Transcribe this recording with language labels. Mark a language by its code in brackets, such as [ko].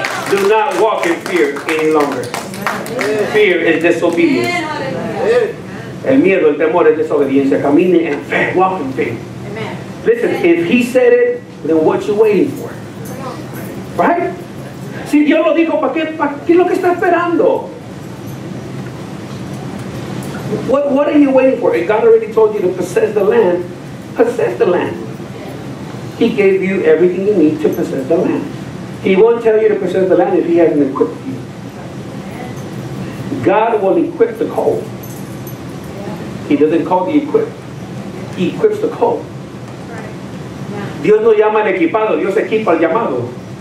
[en] Do not walk in fear any longer. Fear is disobedience. [es] El miedo, el temor es desobediencia. Camine en fe, [en] walk in faith. Listen, if he said it, then what you waiting for? Right? [es] Si Dios lo dijo, ¿para qué es lo que está esperando? [en] What are you waiting for? If God already told you to possess the land, possess the land. He gave you everything you need to possess the land. He won't tell you to possess the land if he hasn't equipped you. God will equip the called. He doesn't call the equipped. He equips the called. [es] Dios no llama al equipado, Dios equipa al llamado.